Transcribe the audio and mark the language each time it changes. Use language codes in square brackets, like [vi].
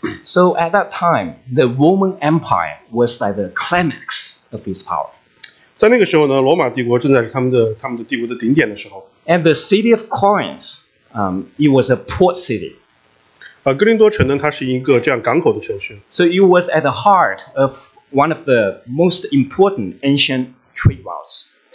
[en] So at that time, the Roman Empire was like the climax of his power. [zh] 在那个时候呢,罗马帝国正在是他们的帝国的顶点的时候。 [en] And the city of Corinth, it was a port city. [zh] 格林多城呢,它是一个这样港口的城市。 [en] So it was at the heart of one of the most important ancient trade routes.